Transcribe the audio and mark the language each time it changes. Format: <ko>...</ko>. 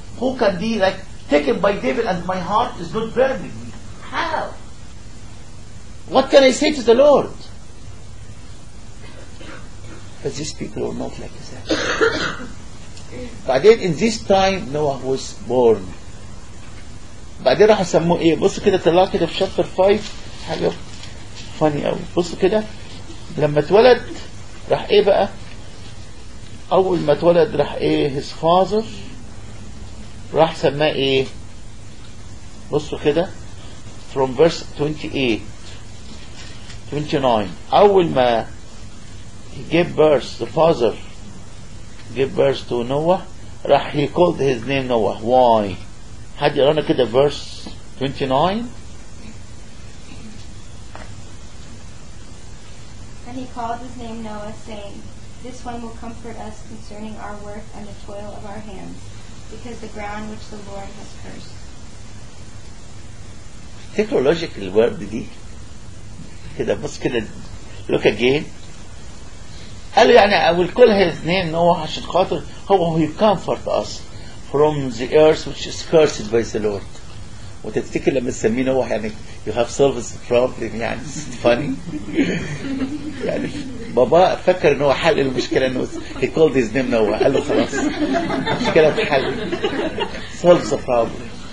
<en>Who can be like taken by David and my heart is not burning me? How? What can I say to the Lord? But these people were not like that. But then in this time Noah was born.</en> <ar>بعدين راح يسموه ايه بصوا كده طلع كده في شابتر 5 حاجة فاني قوي بصوا كده لما اتولد راح ايه بقى اول ما اتولد راح ايه</ar> <en>his father</en> <ar>راح سماه ايه بصوا كده</ar> <en>from verse 28 29</en> <ar>اول ما</ar> <en>he gave birth the father gave birth to Noah راح he called his name Noah why</en> <ar>حد يرانا كده</ar> <en>verse 29 and he called his name Noah saying this one will comfort us concerning our work and the toil of our hands because the ground which the Lord has cursed technological word</en> <ar>دي كده بس كده</ar> <en>look again</en> <ar>قال يعني</ar> <en>I will call his name Noah</en> <ar>عشان خاطر هو</ar> <en>he comfort us from the earth which is cursed by the Lord.</en> <ar>وتتفكر لما تسميه نوح يعني</ar> <en>you have solved the problem يعني it's funny.</en> <ar>يعني بابا فكر ان هو حل المشكلة انه</ar> <en>he called his name Noah</en> <ar>قال له خلاص المشكلة اتحل</ar> <en>solve the problem.</en>